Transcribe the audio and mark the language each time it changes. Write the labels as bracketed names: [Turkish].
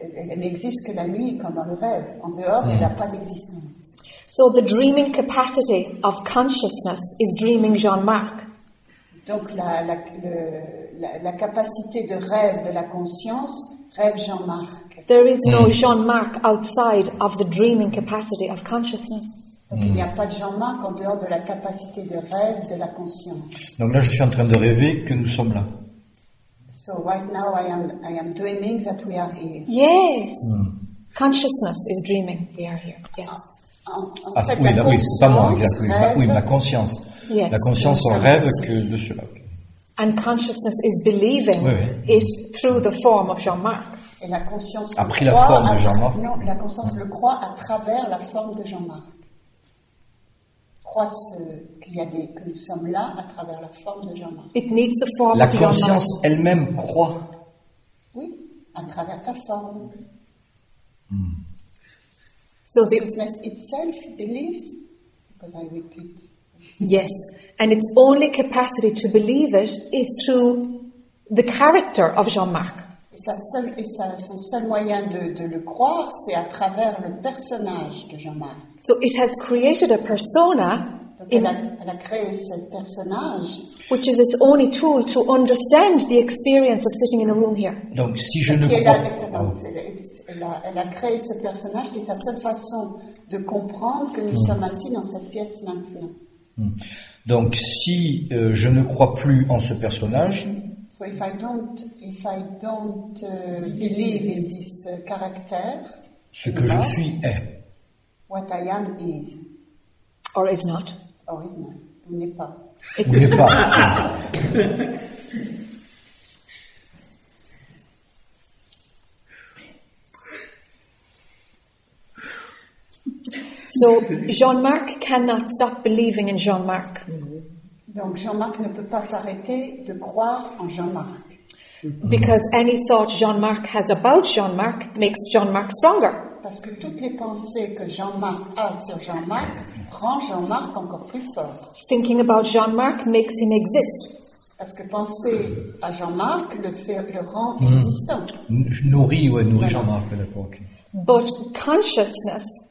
[French] Elle n'existe que la nuit quand dans le rêve. En dehors, elle n'a pas d'existence. [English] So the dreaming capacity of consciousness is dreaming Jean-Marc. [French] Donc la capacité de rêve de la conscience rêve Jean-Marc. [English] There is no Jean-Marc outside of the dreaming capacity of consciousness. [French] Donc il n'y a pas de Jean-Marc en dehors de la capacité de rêve de la conscience. Donc là, je suis en train de rêver que nous sommes là. [English] So right now I am dreaming that we are here. Yes. Mm. Consciousness is dreaming we are here. Yes. [French] La conscience. Yes. La conscience rêve que de cela. [English] And consciousness is believing it through the form of Jean-Marc. [French] Et la conscience a pris la forme de Jean-Marc. Non, la conscience le croit à travers la forme de Jean-Marc. Croit que nous sommes là à travers la forme de Jean-Marc. [English] It needs the form [French] la conscience elle-même croit. Oui, à travers ta forme. [English] Mm. So the consciousness itself believes, because I repeat. Yes, and its only capacity to believe it is through the character of Jean-Marc. [French] Son seul moyen de le croire, c'est à travers le personnage de Jean-Marc. [English] So it has created a persona Which is its only tool to understand the experience of sitting in a room here. [French] Donc, si je ne crois pas, elle a créé ce personnage qui est sa seule façon de comprendre que nous sommes assis dans cette pièce maintenant. Donc, si je ne crois plus en ce personnage. [English] So if I don't believe in this character. [French] Ce que je suis est. [English] What I am is. Or is not. Or is not. [French] Ou n'est pas. Ou n'est pas. [English] So Jean-Marc cannot stop believing in Jean-Marc. [French] Donc Jean-Marc ne peut pas s'arrêter de croire en Jean-Marc. [English] Because any thought Jean-Marc has about Jean-Marc makes Jean-Marc stronger. [French] Parce que toutes les pensées que Jean-Marc a sur Jean-Marc rend Jean-Marc encore plus fort. [English] Thinking about Jean-Marc makes him exist. [French] Parce que penser à Jean-Marc le rend existant. Nourrit Jean-Marc à l'époque. [English] But consciousness.